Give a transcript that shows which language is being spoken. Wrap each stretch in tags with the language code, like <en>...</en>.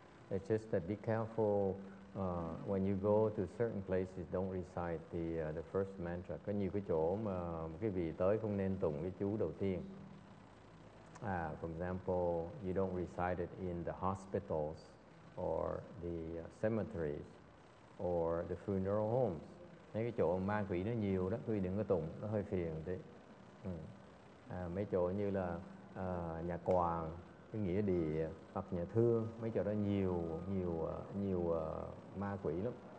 <en>It's just that be careful when you go to certain places, don't recite the first mantra.</en> <vi>Có nhiều cái chỗ mà quý vị tới không nên tụng cái chú đầu tiên.</vi> <en>For example, you don't recite it in the hospitals or the cemeteries or the funeral homes.</en> <vi>Mấy cái chỗ ma quỷ nó nhiều đó, quý vị đừng có tụng, nó hơi phiền tí. Mấy chỗ như là nhà quàng, cái nghĩa địa hoặc nhà thương, mấy chỗ đó nhiều ma quỷ lắm.</vi>